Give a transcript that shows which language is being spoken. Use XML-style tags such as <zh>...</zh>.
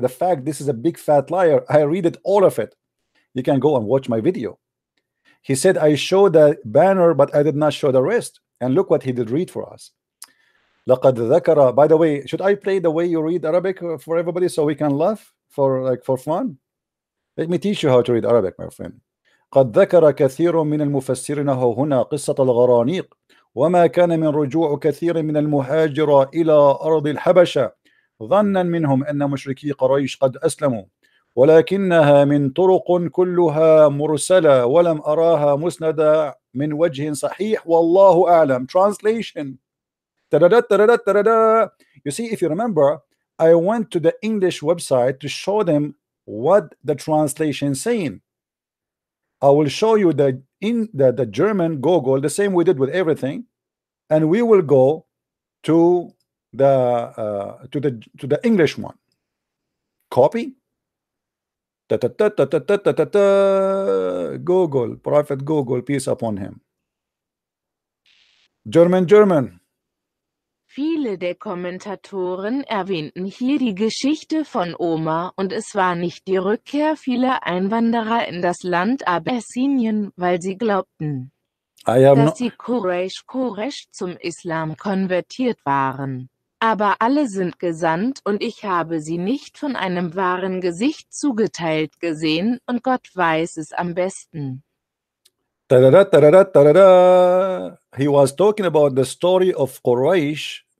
<en>The fact this is a big fat liar, I read it, all of it. You can go and watch my video. He said I showed the banner, but I did not show the rest. And look what he did read for us.</en> <ar>لقد ذكر,</ar> <en>by the way, should I play the way you read Arabic for everybody so we can laugh for fun? Let me teach you how to read Arabic, my friend.</en> <ar>قد ذكر كثير من المفسرين هنا قصة الغرانيق وما كان من رجوع كثير من المهاجر إلى أرض الحبشة ظنا منهم أن مشركي قريش قد أسلموا ولكنها من طرق كلها مرسلة ولم أراها مسندة من وجه صحيح والله أعلم.</ar> <en>Translation. You see, if you remember, I went to the English website to show them what the translation saying. I will show you the German Google, the same we did with everything, and we will go to the English one. Copy. Google, Prophet Google, peace upon him. German.</en> <de>Viele der Kommentatoren erwähnten hier die Geschichte von Omar und es war nicht die Rückkehr vieler Einwanderer in das Land Abessinien, weil sie glaubten, dass die Quraysh zum Islam konvertiert waren. Aber alle sind gesandt und ich habe sie nicht von einem wahren Gesicht zugeteilt gesehen und Gott weiß es am besten.</de> <en>He was talking about the story of Quraysh.</en>